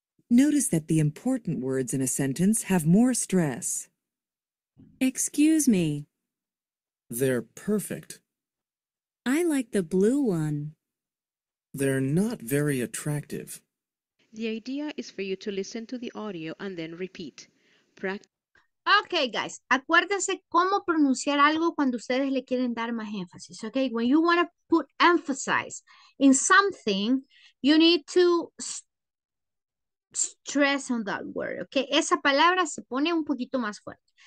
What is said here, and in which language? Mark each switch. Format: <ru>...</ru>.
<en>Notice that the important words in a sentence have more stress. Excuse me. They're perfect. I like the blue one. They're not very attractive. The idea is for you to listen to the audio and then repeat. Okay, guys.</en> <es>Acuérdense cómo pronunciar algo cuando ustedes le quieren dar más énfasis.</es> <en>Okay, when you want to put emphasis in something, you need to stress on that word.</en> <es>Okay, esa palabra se pone un poquito más fuerte.</es>